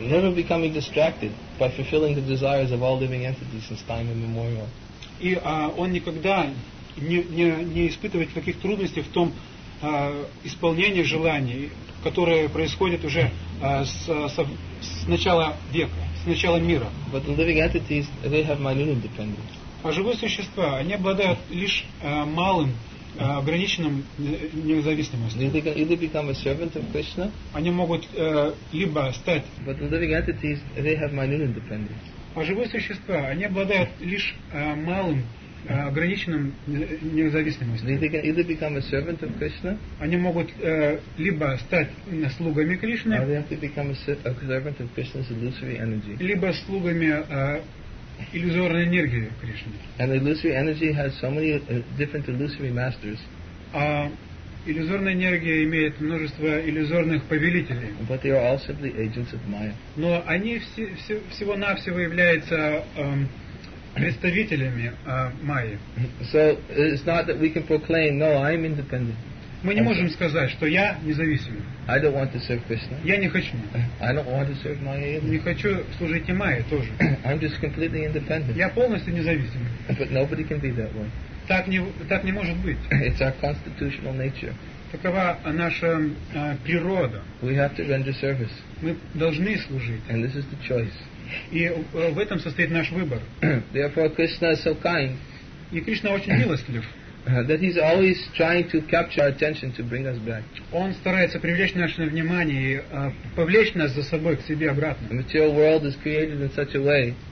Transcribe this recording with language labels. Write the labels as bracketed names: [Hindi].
[English] Never becoming distracted by fulfilling the desires of all living entities since time immemorial. [Russian] И он никогда не испытывает никаких трудностей в том исполнении желаний, которые происходят уже с начала века, с начала мира. [English] But the living entities, they have minute independence. [Russian] А живые существа, они обладают лишь малым, ограниченным независимостью. [English] They become a servant of Krishna. [Russian] Они могут либо стать. [English] But the living entities, they have minute independence. [Russian] А живые существа, они обладают лишь малым, ограниченным независимостью. [English] They can either become a servant of Krishna. [Russian] Они могут либо стать слугами Кришны. [English] Or they have to become a servant of Krishna's illusory energy. [Russian] Либо слугами иллюзорной энергии Кришны. [English] And illusory energy has so many different illusory masters. [Russian] А иллюзорная энергия имеет множество иллюзорных повелителей. [English] But they are all simply agents of Maya. [Russian] Но они всего-навсего являются представителями Майи. [English] So it's not that we can proclaim, no, I'm independent. [Russian] Мы не можем сказать, что я независим. [English] I don't want to serve Krishna. [Russian] Я не хочу. [English] I don't want to serve Maya either. [Russian] Не хочу служить и Майе тоже. [English] I'm just completely independent. [Russian] Я полностью независим. [English] But nobody can be that way. [Russian] Так не может быть. [English] It's our constitutional nature. [Russian] Такова наша природа. [English] We have to render service. [Russian] Мы должны служить. [English] And this is the choice. [Russian] И в этом состоит наш выбор. [English] Therefore, Krishna is so kind. [Russian] И Кришна очень милостлив. [English] That he's always trying to capture our attention to bring us back. [Russian] Он старается привлечь наше внимание и повлечь нас за собой к себе обратно. [English] The material world is created in such a way.